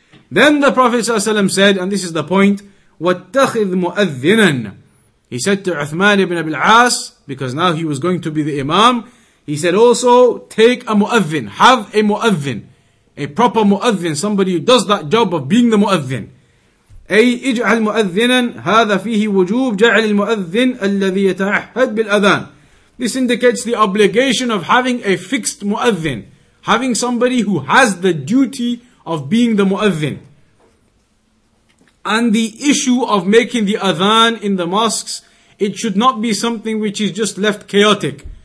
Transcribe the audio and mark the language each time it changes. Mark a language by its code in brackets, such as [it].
[en] Then the Prophet ﷺ said, and this is the point, [ar] وَاتَّخِذْ مُؤَذِّنًا. [en] He said to Uthman ibn Abil As, because now he was going to be the imam, he said also, take a mu'adhin, have a mu'adhin. A proper mu'adhin, somebody who does that job of being the mu'adhin. [ar] أي اجعل مؤذنا هذا فيه وجوب جعل المؤذن الذي يتعهد بالأذان. [en] This indicates the obligation of having a fixed mu'adhin, having somebody who has the duty of being the mu'adhin. And the issue of making the adhan in the mosques, it should not be something which is just left chaotic.